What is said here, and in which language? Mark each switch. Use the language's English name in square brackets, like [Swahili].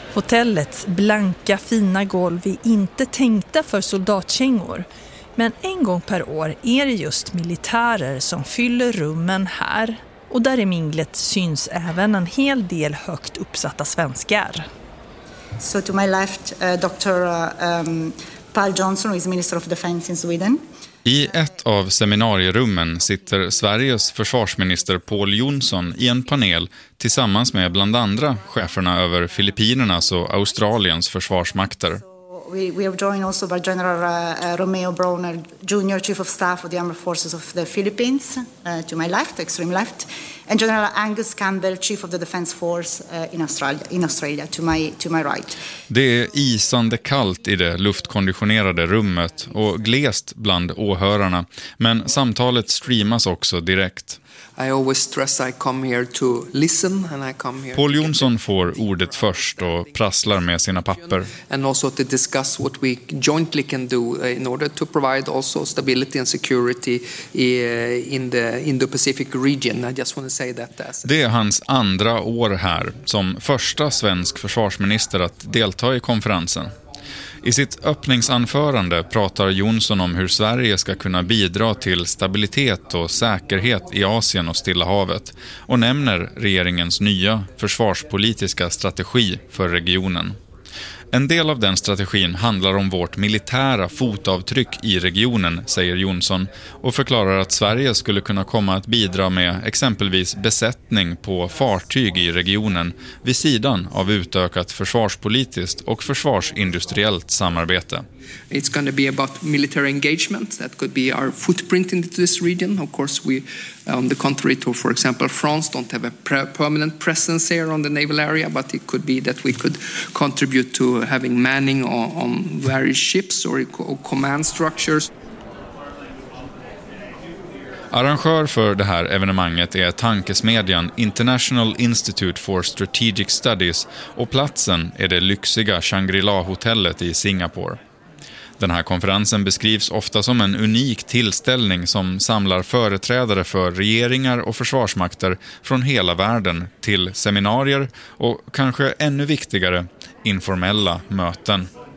[Swedish] Hotellets blanka, fina golv är inte tänkta för soldatkängor. Men en gång per år är det just militärer som fyller rummen här. Och där i minglet syns även en hel del högt uppsatta svenskar. [English] So to my left, Dr. Paul Johnson, who is Minister of Defense in Sweden. [Swedish] I ett av seminarierummen sitter Sveriges försvarsminister Paul Jonsson i en panel tillsammans med bland andra cheferna över Filippinernas och Australiens försvarsmakter. [English] We are joined also by General Romeo Browner, Junior Chief of Staff of the Armed Forces of the Philippines, to my left, extreme left, and General Angus Campbell, Chief of the Defence Force in Australia, to my right. [Swedish] Det är isande kallt i det luftkonditionerade rummet och glest bland åhörarna, men samtalet streamas också direkt. [English] I always stress I come here to listen and I come here. [Swedish] Paul Jonsson får ordet först och prasslar med sina papper. [English] And also to discuss what we jointly can do in order to provide also stability and security in the Indo-Pacific region. I just want to say that. [Swedish] Det är hans andra år här som första svensk försvarsminister att delta i konferensen. I sitt öppningsanförande pratar Jonsson om hur Sverige ska kunna bidra till stabilitet och säkerhet i Asien och Stilla havet och nämner regeringens nya försvarspolitiska strategi för regionen. En del av den strategin handlar om vårt militära fotavtryck i regionen, säger Jonsson, och förklarar att Sverige skulle kunna komma att bidra med exempelvis besättning på fartyg i regionen vid sidan av utökat försvarspolitiskt och försvarsindustriellt samarbete. [English] It's going to be about military engagement. That could be our footprint in this region. Of course, we, on the contrary to, for example, France, don't have a permanent presence here on the naval area, but it could be that we could contribute to having manning on various ships or command structures. [Swedish] Arrangör för det här evenemanget är tankesmedjan International Institute for Strategic Studies och platsen är det lyxiga Shangri-La-hotellet i Singapore. Den här konferensen beskrivs ofta som en unik tillställning som samlar företrädare för regeringar och försvarsmakter från hela världen till seminarier och, kanske ännu viktigare, informella möten.